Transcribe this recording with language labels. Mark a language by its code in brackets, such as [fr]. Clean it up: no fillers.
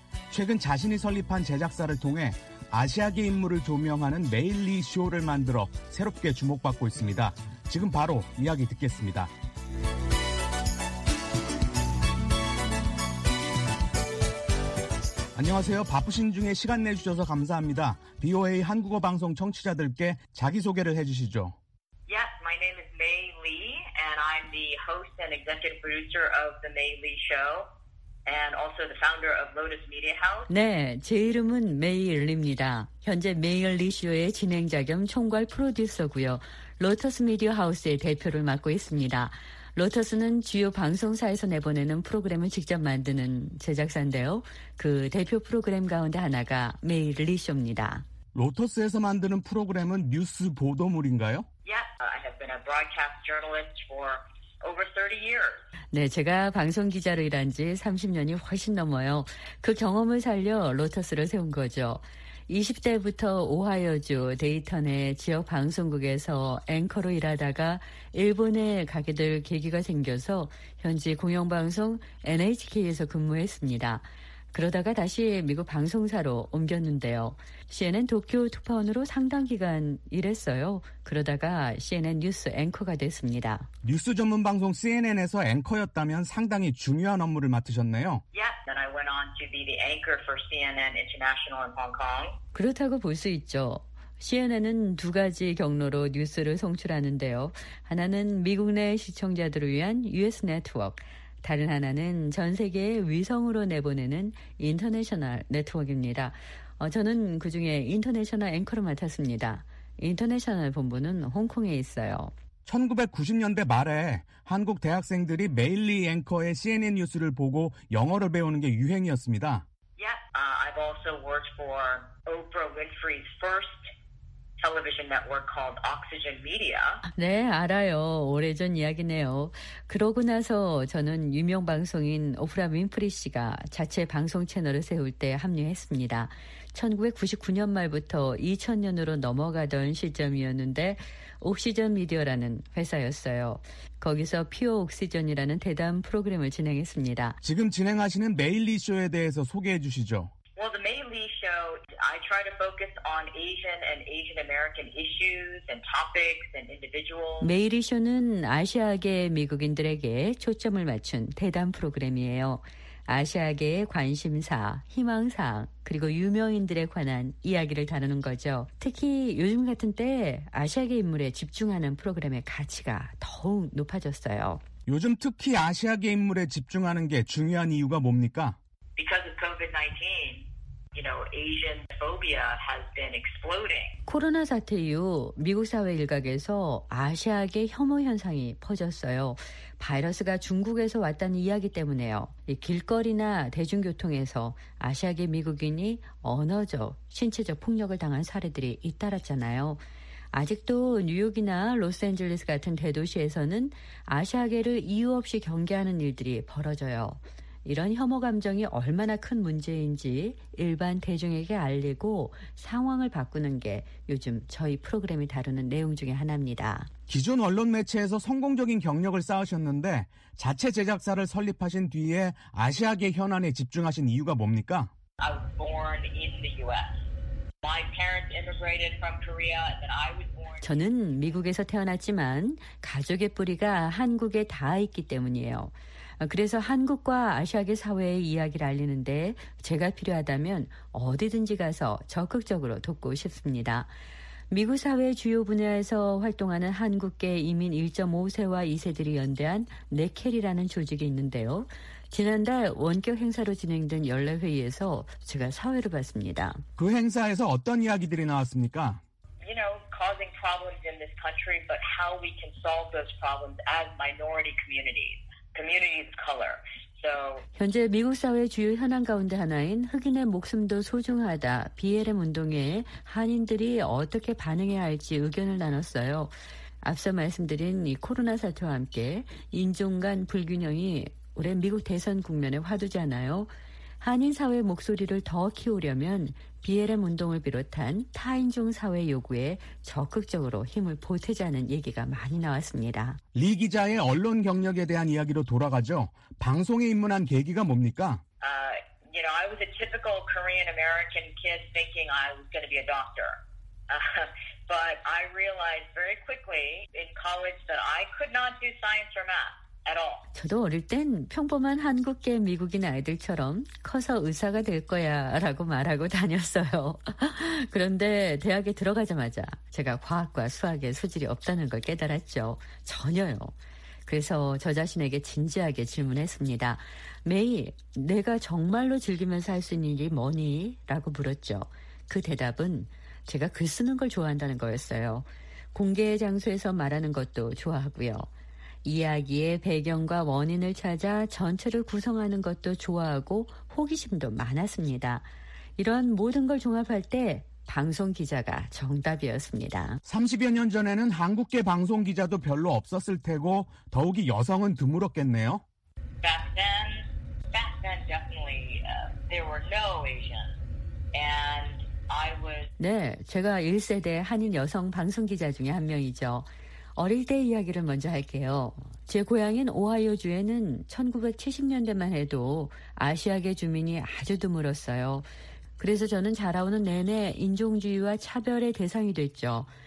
[ko] 최근 자신이 설립한 제작사를 통해 아시아계 인물을 조명하는 메일 리 쇼를 만들어 새롭게 주목받고 있습니다. 지금 바로 이야기 듣겠습니다. 안녕하세요. 바쁘신 중에 시간 내주셔서 감사합니다. VOA 한국어 방송 청취자들께 자기소개를 해주시죠. [en] Yes, my name is May Lee, and I'm the host and executive producer of The May Lee Show, and also the founder of Lotus Media House. [ko] 네, 제 이름은 메일리입니다. 현재 메일리 쇼의 진행자 겸 총괄 프로듀서고요. 로터스 미디어 하우스의 대표를 맡고 있습니다. 로터스는 주요 방송사에서 내보내는 프로그램을 직접 만드는 제작사인데요. 그 대표 프로그램 가운데 하나가 메일리 쇼입니다. 로터스에서 만드는 프로그램은 뉴스 보도물인가요? [en] Yes, I have been a broadcast journalist for over 30 years. [ko] 네, 제가 방송 기자로 일한 지 30년이 훨씬 넘어요. 그 경험을 살려 로터스를 세운 거죠. 20대부터 오하이오주 데이턴의 지역 방송국에서 앵커로 일하다가 일본에 가게 될 계기가 생겨서 현지 공영방송 NHK에서 근무했습니다. 그러다가 다시 미국 방송사로 옮겼는데요. CNN 도쿄 특파원으로 상당 기간 일했어요. 그러다가 CNN 뉴스 앵커가 됐습니다. 뉴스 전문 방송 CNN에서 앵커였다면 상당히 중요한 업무를 맡으셨네요. [en] Yes, and I went on to be the anchor for CNN International in Hong Kong. [ko] 그렇다고 볼 수 있죠. CNN은 두 가지 경로로 뉴스를 송출하는데요. 하나는 미국 내 시청자들을 위한 US 네트워크, 다른 하나는 전 세계에 위성으로 내보내는 인터내셔널 네트워크입니다. 저는 그중에 인터내셔널 앵커로 맡았습니다. 인터내셔널 본부는 홍콩에 있어요. 1990년대 말에 한국 대학생들이 메일리 앵커의 CNN 뉴스를 보고 영어를 배우는 게 유행이었습니다. [en] Yes, I've also worked for Oprah Winfrey's first television network called Oxygen Media. [ko] 네, 알아요. 오래전 이야기네요. 그러고 나서 저는 유명 방송인 오프라 윈프리 씨가 자체 방송 채널을 세울 때 합류했습니다. 1999년 말부터 2000년으로 넘어가던 시점이었는데 옥시전 미디어라는 회사였어요. 거기서 퓨어 옥시전이라는 대담 프로그램을 진행했습니다. 지금 진행하시는 메일리 쇼에 대해서 소개해 주시죠. [en] Well, the Meili show, I try to focus on Asian and Asian American issues and topics and individuals. [ko] 메일리 쇼는 아시아계 미국인들에게 초점을 맞춘 대담 프로그램이에요. 아시아계의 관심사, 희망사항, 그리고 유명인들에 관한 이야기를 다루는 거죠. 특히 요즘 같은 때 아시아계 인물에 집중하는 프로그램의 가치가 더욱 높아졌어요. 요즘 특히 아시아계 인물에 집중하는 게 중요한 이유가 뭡니까? [en] Because of COVID-19, you know, Asian phobia has been exploding. [ko] 코로나 사태 이후 미국 사회 일각에서 아시아계 혐오 현상이 퍼졌어요. 바이러스가 중국에서 왔다는 이야기 때문에요. 이 길거리나 대중교통에서 아시아계 미국인이 언어적, 신체적 폭력을 당한 사례들이 잇따랐잖아요. 아직도 뉴욕이나 로스앤젤레스 같은 대도시에서는 아시아계를 이유 없이 경계하는 일들이 벌어져요. 이런 혐오 감정이 얼마나 큰 문제인지 일반 대중에게 알리고 상황을 바꾸는 게 요즘 저희 프로그램이 다루는 내용 중에 하나입니다. 기존 언론 매체에서 성공적인 경력을 쌓으셨는데 자체 제작사를 설립하신 뒤에 아시아계 현안에 집중하신 이유가 뭡니까? [en] I was born in the US. My parents immigrated from Korea and I was born. [ko] 저는 미국에서 태어났지만 가족의 뿌리가 한국에 닿아 있기 때문이에요. 그래서 한국과 아시아계 사회의 이야기를 알리는데 제가 필요하다면 어디든지 가서 적극적으로 돕고 싶습니다. 미국 사회 주요 분야에서 활동하는 한국계 이민 1.5세와 2세들이 연대한 네켈이라는 조직이 있는데요. 지난달 원격 행사로 진행된 연례회의에서 제가 사회를 봤습니다. 그 행사에서 어떤 이야기들이 나왔습니까? [en] You know, causing problems in this country, but how we can solve those problems as minority communities, communities of color. [ko] 현재 미국 사회의 주요 현안 가운데 하나인 흑인의 목숨도 소중하다, BLM 운동에 한인들이 어떻게 반응해야 할지 의견을 나눴어요. 앞서 말씀드린 이 코로나 사태와 함께 인종 간 불균형이 올해 미국 대선 국면의 화두잖아요. 한인 사회의 목소리를 더 키우려면 BLM 운동을 비롯한 타인종 사회 요구에 적극적으로 힘을 보태자는 얘기가 많이 나왔습니다. 리 기자의 언론 경력에 대한 이야기로 돌아가죠. 방송에 입문한 계기가 뭡니까? [en] You know, I was a typical Korean American kid thinking I was going to be a doctor. But I realized very quickly in college that I could not do science or math. [ko] 저도 어릴 땐 평범한 한국계 미국인 아이들처럼 커서 의사가 될 거야 라고 말하고 다녔어요. 그런데 대학에 들어가자마자 제가 과학과 수학에 소질이 없다는 걸 깨달았죠. 전혀요. 그래서 저 자신에게 진지하게 질문했습니다. 메이, 내가 정말로 즐기면서 할 수 있는 일이 뭐니? 라고 물었죠. 그 대답은 제가 글 쓰는 걸 좋아한다는 거였어요. 공개 장소에서 말하는 것도 좋아하고요. 이야기의 배경과 원인을 찾아 전체를 구성하는 것도 좋아하고 호기심도 많았습니다. 이런 모든 걸 종합할 때 방송 기자가 정답이었습니다. 30여 년 전에는 한국계 방송 기자도 별로 없었을 테고 더욱이 여성은 드물었겠네요. [en] Back then definitely there were no Asians and I was [ko] 네, 제가 1세대 한인 여성 방송 기자 중에 한 명이죠. 어릴 때 이야기를 먼저 할게요. 제 고향인 오하이오주에는 1970년대만 해도 아시아계 주민이 아주 드물었어요. 그래서 저는 자라오는 내내 인종주의와 차별의 대상이 됐죠.